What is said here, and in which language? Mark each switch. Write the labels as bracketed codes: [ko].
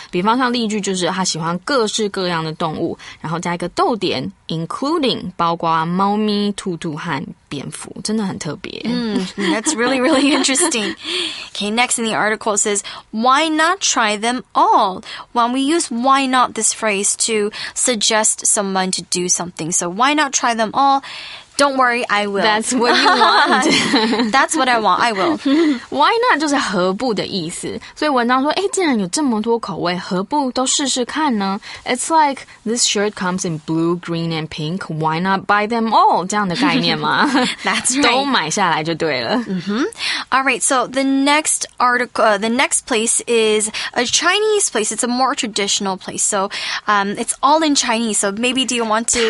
[zh] 比方像例句就是他喜欢各式各样的动物，然后加一个逗点 ，including 包括猫咪、兔兔和蝙蝠，真的很特别。 [en] That's really, really interesting. Okay, next in the article says, why not try them all? When we use why not this phrase to suggest someone to do something, so why not try them all? Don't worry, I will. That's what you want. That's what I want, I will. [zh] Why not 就是何不的意思。所以文章说，既然有这么多口味，何不都试试看呢？ [en] It's like, this shirt comes in blue, green, and pink. Why not buy them all? [zh] 这样的概念吗？ [en] That's right. [zh] 都买下来就对了。 [en] All right, so the next article, the next place is a Chinese place. It's a more traditional place. So it's all in Chinese. So maybe do you want to...